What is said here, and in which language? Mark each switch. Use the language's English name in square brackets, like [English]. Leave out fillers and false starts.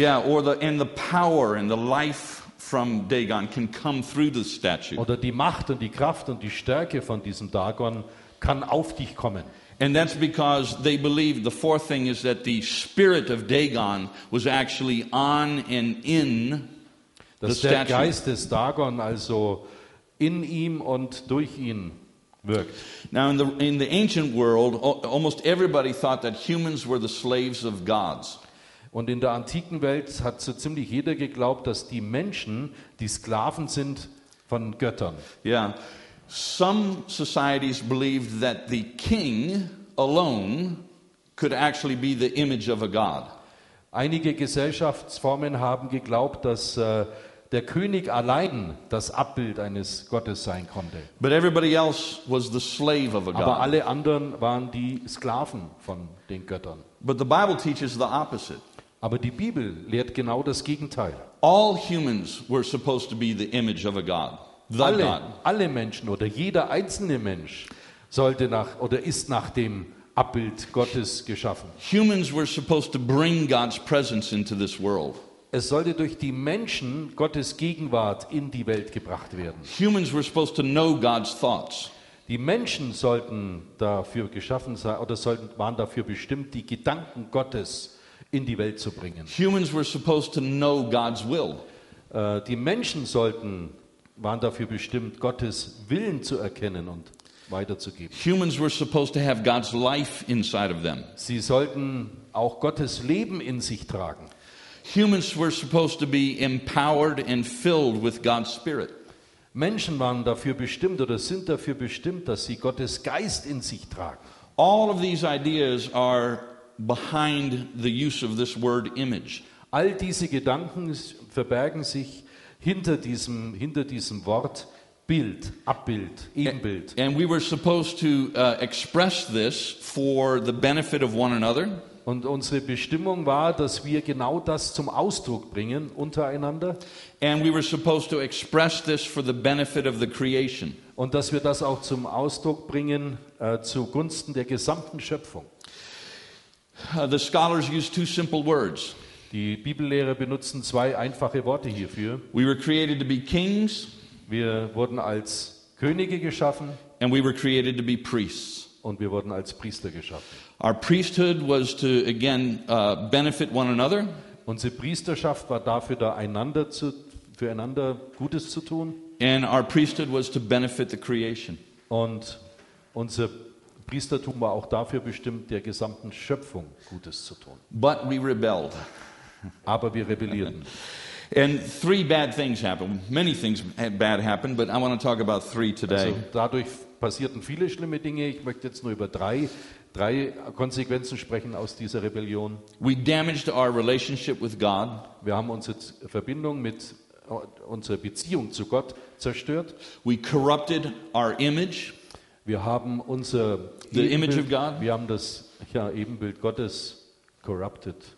[English] Yeah, or the power and the life from Dagon can come through the statue. [German] Oder die Macht und die Kraft und die Stärke von diesem Dagon kann auf dich kommen. [English] And that's because they believe the fourth thing is that the spirit of Dagon was actually on and in the statue. [German] Dass der Geist des Dagon also in ihm und durch ihn wirkt. [English] Now in the ancient world, almost everybody thought that humans were the slaves of gods. [German] Und in der antiken Welt hat so ziemlich jeder geglaubt, dass die Menschen die Sklaven sind von Göttern. Yeah. [English] Some societies believed that the king alone could actually be the image of a god. [German] Einige Gesellschaftsformen haben geglaubt, dass der König allein das Abbild eines Gottes sein konnte. [English] But everybody else was the slave of a god. [German] Aber alle anderen waren die Sklaven von den Göttern. [English] But the Bible teaches the opposite. [German] Aber die Bibel lehrt genau das Gegenteil. [English] All humans were supposed to be the image of a god. [German] Alle Menschen oder jeder einzelne Mensch sollte nach oder ist nach dem Abbild Gottes geschaffen. [English] Humans were supposed to bring God's presence into this world. [German] Es sollte durch die Menschen Gottes Gegenwart in die Welt gebracht werden. [English] Humans were supposed to know God's thoughts. [German] Die Menschen sollten dafür geschaffen sein oder waren dafür bestimmt, die Gedanken Gottes in die Welt zu bringen. [English] Humans were supposed to know God's will. [German] Die Menschen waren dafür bestimmt, Gottes Willen zu erkennen und weiterzugeben. [English] Humans were supposed to have God's life inside of them. [German] Sie sollten auch Gottes Leben in sich tragen. [English] Humans were supposed to be empowered and filled with God's Spirit. [German] Menschen waren dafür bestimmt oder sind dafür bestimmt, dass sie Gottes Geist in sich tragen. [English] All of these ideas are behind the use of this word image. [German] All diese Gedanken verbergen sich hinter diesem Wort Bild, Abbild, Ebenbild. [English] And we were supposed to express this for the benefit of one another. [German] Und unsere Bestimmung war, dass wir genau das zum Ausdruck bringen untereinander. [English] And we were supposed to express this for the benefit of the creation. [German] Und dass wir das auch zum Ausdruck bringen zugunsten der gesamten Schöpfung. [English] The scholars used two simple words. [German] Die Bibellehrer benutzen zwei einfache Worte hierfür. [English] We were created to be kings. [German] Wir wurden als Könige geschaffen. [English] And we were created to be priests. [German] Und wir wurden als Priester geschaffen. [English] Our priesthood was to again benefit one another. [German] Unsere Priesterschaft war dafür da, einander zu, füreinander Gutes zu tun. [English] And our priesthood was to benefit the creation. [German] Und unser Priestertum war auch dafür bestimmt, der gesamten Schöpfung Gutes zu tun. [English] But we rebelled. [German] Aber wir rebellierten. [English] And three bad things happened. Many things bad happened, but I want to talk about three today. [German] Also dadurch passierten viele schlimme Dinge. Ich möchte jetzt nur über drei Konsequenzen sprechen aus dieser Rebellion. [English] We damaged our relationship with God. [German] Wir haben unsere Verbindung mit unserer Beziehung zu Gott zerstört. [English] We corrupted our image. [German] Wir haben unser [English] the image of God. [German] Wir haben das ja Ebenbild Gottes corrupted.